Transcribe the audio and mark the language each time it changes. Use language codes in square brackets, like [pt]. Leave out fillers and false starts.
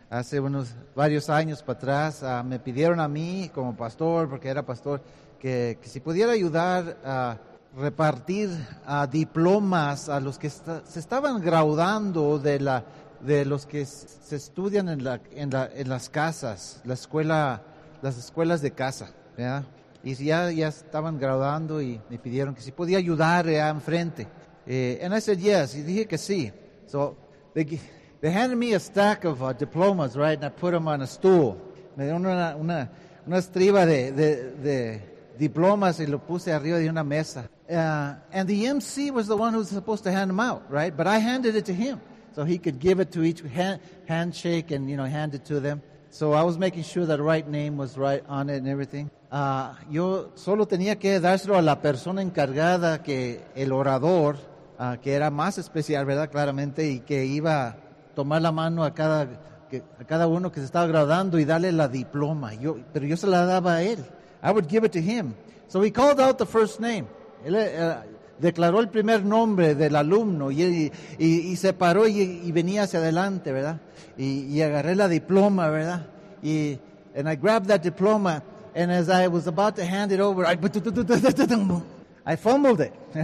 [es] Hace unos varios años para atrás, me pidieron a mí como pastor, porque era pastor, que si pudiera ayudar a repartir diplomas a los que se estaban graduando de los que se estudian en las casas, las escuelas de casa, ¿verdad? Y ya estaban graduando y me pidieron que si podía ayudar allá enfrente. [en] And I said yes, [es] y dije que sí. [en] So they handed me a stack of diplomas, right, and I put them on a stool. [es] Me dieron una estriba de diplomas y lo puse arriba de una mesa. [en] And the MC was the one who was supposed to hand them out, right? But I handed it to him so he could give it to each handshake and, you know, hand it to them. So I was making sure that the right name was right on it and everything. [es] Yo solo tenía que dárselo a la persona encargada, que el orador, que era más especial, ¿verdad? Claramente, y que iba a tomar la mano a cada uno que se estaba graduando y darle la diploma. Pero yo se la daba a él. [en] I would give it to him. So he called out the first name. [es] Él declaró el primer nombre del alumno y se paró y venía hacia adelante, ¿verdad? Y agarré la diploma, ¿verdad? [en] And I grabbed that diploma, and as I was about to hand it over, I fumbled it.